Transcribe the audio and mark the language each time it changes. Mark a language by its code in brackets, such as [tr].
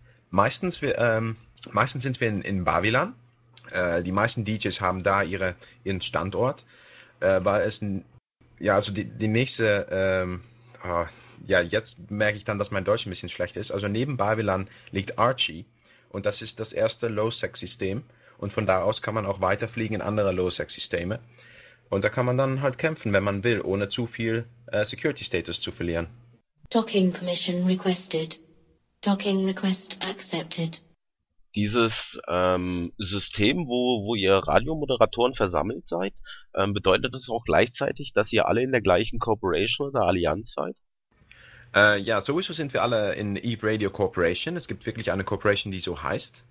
[de] Meistens sind wir in Babylon. Die meisten DJs haben da ihren Standort, weil es ein ja, also die nächste, jetzt merke ich dann, dass mein Deutsch ein bisschen schlecht ist. Also neben Babylon liegt Archie und das ist das erste Low-Sec-System und von da aus kann man auch weiterfliegen in andere Low-Sec-Systeme und da kann man dann halt kämpfen, wenn man will, ohne zu viel Security-Status zu verlieren. [en] Docking permission requested. Docking request accepted. [de] Dieses System, wo ihr Radiomoderatoren versammelt seid, bedeutet das auch gleichzeitig, dass ihr alle in der gleichen Corporation oder Allianz seid? Ja, sowieso sind wir alle in EVE Radio Corporation. Es gibt wirklich eine Corporation, die so heißt.